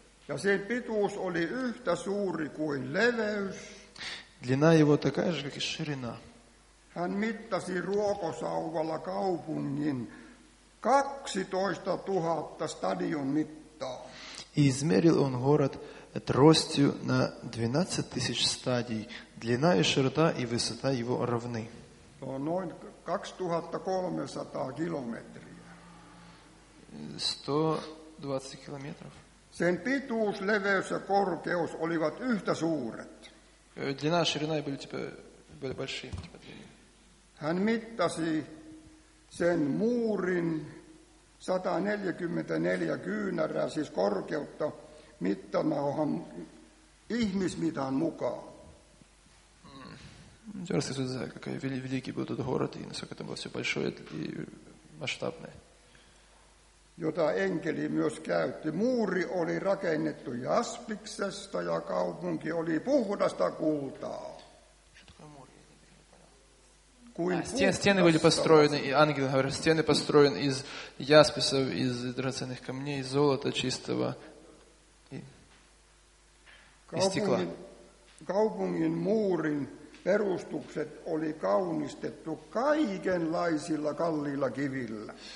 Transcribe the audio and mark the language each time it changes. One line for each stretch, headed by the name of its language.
Finnish: Ja sen pituus oli yhtä suuri kuin leveys.
Russian: Длина его такая же, как и ширина.
Finnish: Hän mittasi ruokosauvalla kaupungin 12 000 stadion mittaa.
Russian: И измерил он город тростью на 12 тысяч стадий. Длина и широта и высота его равны.
Finnish: Noin 2300
Russian: километров. 120 километров.
Finnish: Sen pituus, leveys ja korkeus olivat yhtä suuret.
Russian: Длина, ширина были большие.
Finnish: Hän mittasi sen muurin 144 kyynärää, siis korkeutta, mittanauhan ihmismitan mukaan.
Russian: Я рассказываю, какой великий был этот город, и насколько там было все большое и масштабное.
Finnish: Jota enkeli myös käytti. Muuri oli rakennettu jaspiksesta ja kaupunki oli puhdasta kultaa.
Russian: Стены были построены, и ангел говорит, стены построены из ясписов, из драгоценных камней, из золота чистого и стекла.
Finnish: Kaupungin muurin perustukset oli kaunistettu kaikenlaisilla kalliilla kivillä.